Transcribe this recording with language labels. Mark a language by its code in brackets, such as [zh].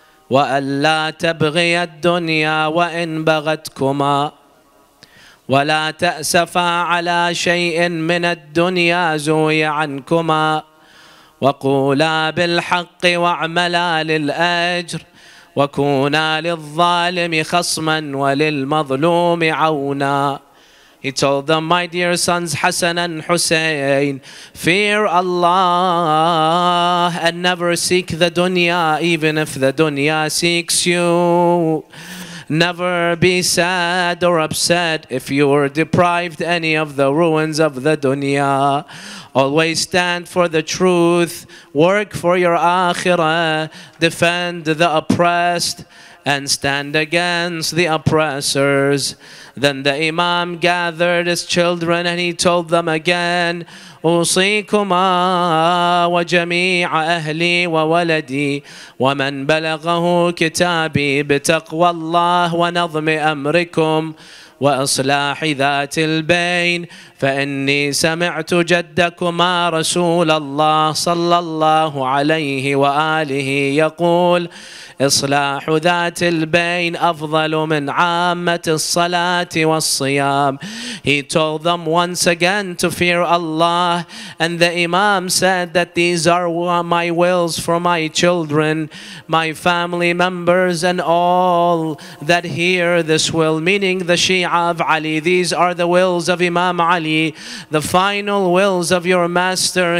[ar] وألا تبغي الدنيا وإن بغتكما ولا تأسفا على شيء من الدنيا زوي عنكما وقولا بالحق واعملا للأجر وكونا للظالم خصما وللمظلوم عونا. [en] He told them, my dear sons Hassan and Hussein, fear Allah and never seek the dunya, even if the dunya seeks you. Never be sad or upset if you were deprived any of the ruins of the dunya. Always stand for the truth, work for your akhirah, defend the oppressed, and stand against the oppressors. Then the Imam gathered his children and he told them again, [ar] أوصيكما وجميع أهلي وولدي ومن بلغه كتابي بتقوى الله ونظم أمركم وإصلاح ذات البين. فإني سمعت جدكما رسول الله صلى الله عليه وآله يقول: إصلاح ذات البين أفضل من عامة الصلاة والصيام. [en] He told them once again to fear Allah, and the Imam said that these are my wills for my children, my family members, and all that hear this will, meaning the Shia of Ali. These are the wills of Imam Ali, the final wills of your master.